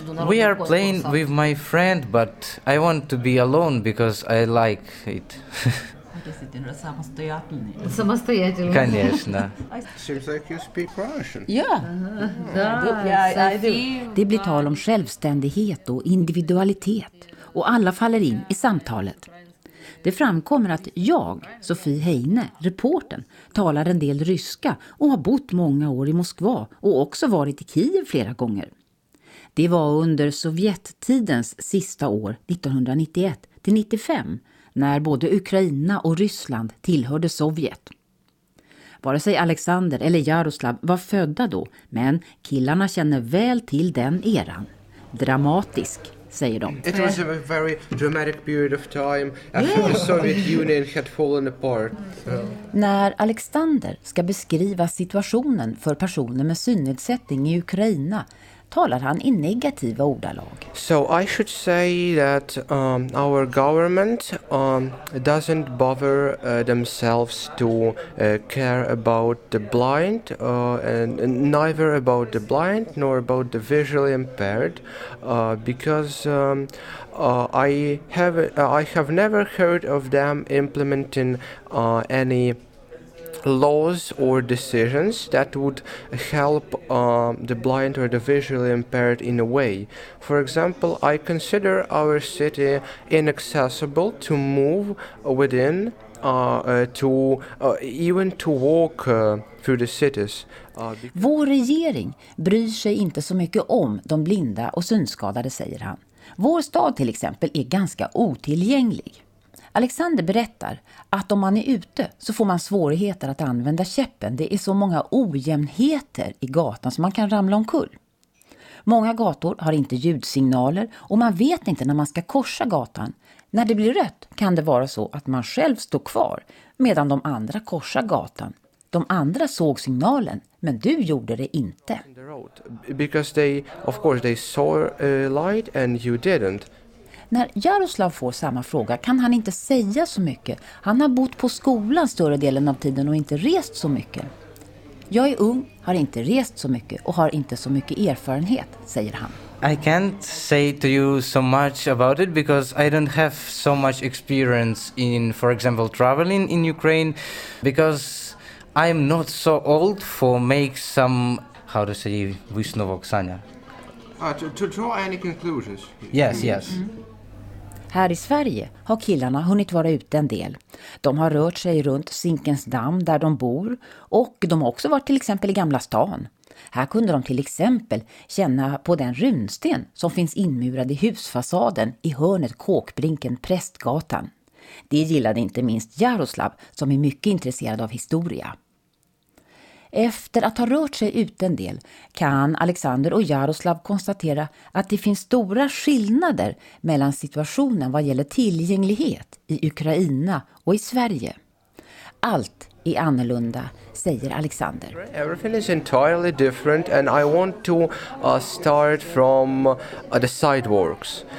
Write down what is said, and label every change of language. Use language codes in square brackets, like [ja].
[en] We are playing with my friend, but I want to be alone because I like it. [ru] Самостоятельно. Конечно. [en] Seems like you speak Russian. [sv] Det blir tal om självständighet och individualitet. Och alla faller in i samtalet. Det framkommer att jag, Sofie Heine, reporten, talar en del ryska och har bott många år i Moskva och också varit i Kiev flera gånger. Det var under sovjettidens sista år, 1991-95, när både Ukraina och Ryssland tillhörde Sovjet. Vare sig Alexander eller Jaroslav var födda då, men killarna känner väl till den eran. Dramatisk, säger de. [en] It was a very dramatic period of time after the Soviet Union had fallen apart. So. [sv] När Alexander ska beskriva situationen för personer med synnedsättning i Ukraina talar han i negativa ordalag. [en] So I should say that our government doesn't bother themselves to care about the blind and neither about the blind nor about the visually impaired because I have never heard of them implementing any laws or decisions that would help the blind or the visually impaired in a way. For example, I consider our city inaccessible to move within, even to walk through the cities. [sv] Vår regering bryr sig inte så mycket om de blinda och synskadade, säger han. Vår stad till exempel är ganska otillgänglig. Alexander berättar att om man är ute så får man svårigheter att använda käppen. Det är så många ojämnheter i gatan så man kan ramla omkull. Många gator har inte ljudsignaler och man vet inte när man ska korsa gatan. När det blir rött kan det vara så att man själv står kvar medan de andra korsar gatan. De andra såg signalen, men du gjorde det inte. [en] Because they, of course, they saw light and you didn't. [sv] När Jaroslav får samma fråga kan han inte säga så mycket. Han har bott på skolan större delen av tiden och inte rest så mycket. Jag är ung, har inte rest så mycket och har inte så mycket erfarenhet, säger han. [en] I can't say to you so much about it because I don't have so much experience in, for example, traveling in Ukraine because I'm not so old for make some, how to say, visnovoksanja. To draw any conclusions. Yes, yes. Mm-hmm. [sv] Här i Sverige har killarna hunnit vara ute en del. De har rört sig runt Zinkens damm där de bor och de har också varit till exempel i Gamla stan. Här kunde de till exempel känna på den runsten som finns inmurad i husfasaden i hörnet Kåkbrinken Prästgatan. Det gillade inte minst Jaroslav som är mycket intresserad av historia. Efter att ha rört sig ut en del kan Alexander och Jaroslav konstatera att det finns stora skillnader mellan situationen vad gäller tillgänglighet i Ukraina och i Sverige. Allt är annorlunda, säger Alexander. [en] Everything is entirely different and I want to start from the sidewalks.